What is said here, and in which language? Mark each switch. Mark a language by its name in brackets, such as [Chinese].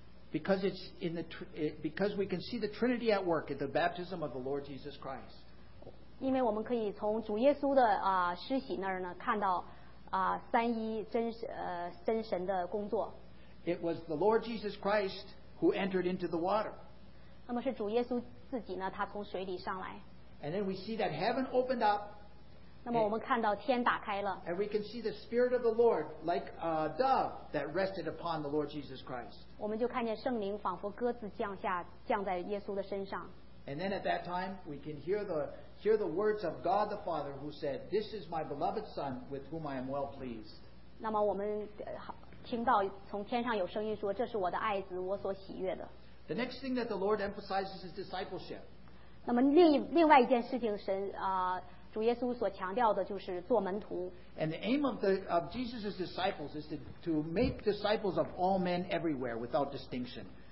[English] Because it's in the because we can see the Trinity at work at the baptism of the Lord Jesus Christ. [Chinese] 因为我们可以从主耶稣的施洗那儿呢看到三一真神的工作。 [English] It was the Lord Jesus Christ who entered into the water. [Chinese] 那么是主耶稣自己呢，他从水里上来。 [English] And then we see that heaven opened up. [Chinese] 那么我们看到天打开了。 [English] And we can see the Spirit of the Lord like a dove that rested upon the Lord Jesus Christ. [Chinese] 我们就看见圣灵仿佛鸽子降在耶稣的身上。 [English] And then at that time we can hear the words of God the Father who said, "This is my beloved Son with whom I am well pleased." [Chinese] 那么我们听到从天上有声音说，这是我的爱子，我所喜悦的。 [English] The next thing that the Lord emphasizes is discipleship. [Chinese] 那么另外一件事情，神主耶稣所强调的就是做门徒。 [English] And the aim of Jesus' disciples is to make disciples of all men everywhere without distinction.